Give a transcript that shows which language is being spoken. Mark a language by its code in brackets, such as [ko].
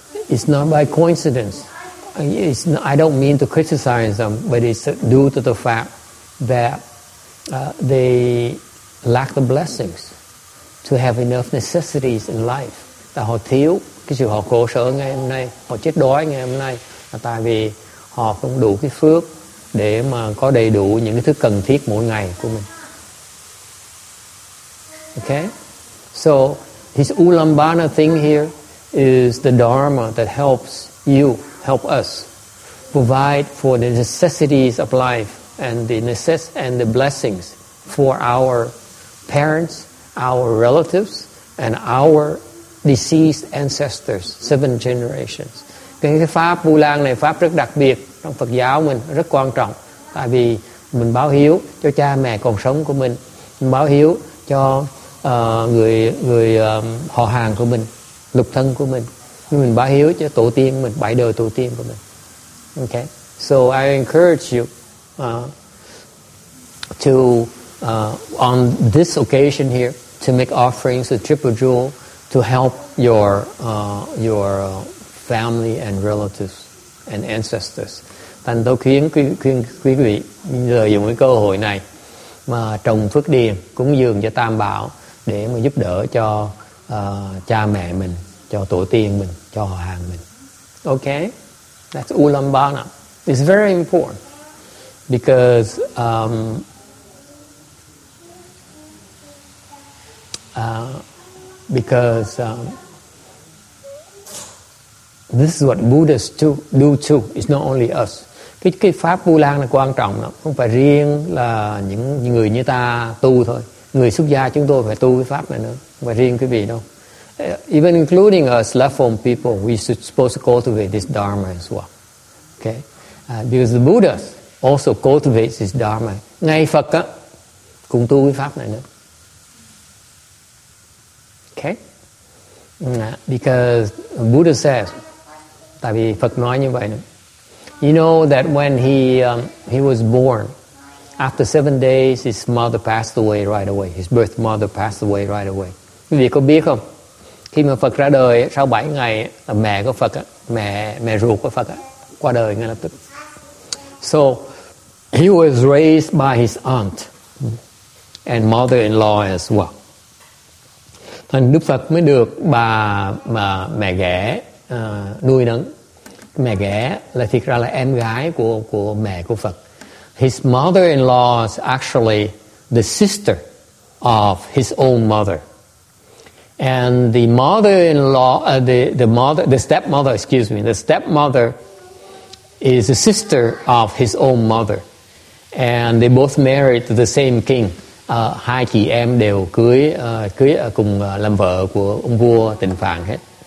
[en] It's not by coincidence. I don't mean to criticize them, but it's due to the fact that they lack the blessings to have enough necessities in life. [vi] Tại họ thiếu cái sự họ khổ sở ngày hôm nay, họ chết đói ngày hôm nay, là tại vì họ không đủ cái phước để mà có đầy đủ những cái thứ cần thiết mỗi ngày của mình. [en] Okay, so his Ulambana thing here is the Dharma that helps you, help us, provide for the necessities of life and the and the blessings for our parents, our relatives, and our deceased ancestors, seven generations. [vi] Cái pháp Vu Lan này pháp rất đặc biệt trong Phật giáo mình, rất quan trọng, tại vì mình báo hiếu cho cha mẹ còn sống của mình báo hiếu cho người họ hàng của mình, lục thân của mình, nhưng mình báo hiếu cho tổ tiên mình, bảy đời tổ tiên của mình. [en] Okay, so I encourage you on this occasion here to make offerings to Triple Jewel to help your family and relatives and ancestors. [vi] Thành tôi khuyên quý vị lợi dụng cái cơ hội này mà trồng phước điền, cúng dường cho Tam Bảo để mà giúp đỡ cho cha mẹ mình, cho tổ tiên mình, cho họ hàng mình. [en] Okay, that's Ulambana. It's very important because this is what Buddhists do too. It's not only us. [vi] Cái pháp Vu Lan là quan trọng lắm, không phải riêng là những người như ta tu thôi. Người xuất gia chúng tôi phải tu cái pháp này nữa, không phải riêng quý vị đâu. [en] Even including us left home people, we should supposed to cultivate this dharma as well. Okay? Because the Buddha also cultivates this dharma. [vi] Ngay Phật á cũng tu cái pháp này nữa. [en] Okay? Because Buddha says, [vi] tại vì Phật nói như vậy nữa. [en] You know that when he was born, after 7 days, his mother passed away right away. His birth mother passed away right away. [vi] Quý vị có biết không? Khi mà Phật ra đời, sau 7 ngày, là mẹ của Phật, mẹ ruột của Phật, qua đời ngay lập tức. [en] So, he was raised by his aunt and mother-in-law as well. [vi] Thành Đức Phật mới được bà mà mẹ ghẻ nuôi nấng. Mẹ ghẻ là thiệt ra là em gái của mẹ của Phật. [en] His mother-in-law is actually the sister of his own mother. And the mother-in-law, the stepmother is a sister of his own mother. And they both married to the same king. [vi] Hai chị em đều cưới cùng làm vợ của ông vua Tịnh Phạn hết.